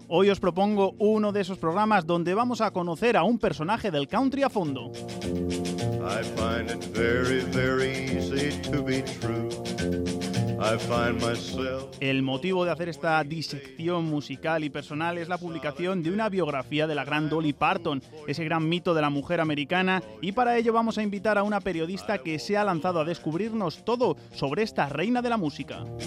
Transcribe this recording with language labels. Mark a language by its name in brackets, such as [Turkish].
[Spanish] Hoy os propongo uno de esos programas donde vamos a conocer a un personaje del country a fondo. [English] I find it very, very easy to be true. I find myself... [Spanish] El motivo de hacer esta disección musical y personal es la publicación de una biografía de la gran Dolly Parton, ese gran mito de la mujer americana, y para ello vamos a invitar a una periodista que se ha lanzado a descubrirnos todo sobre esta reina de la música.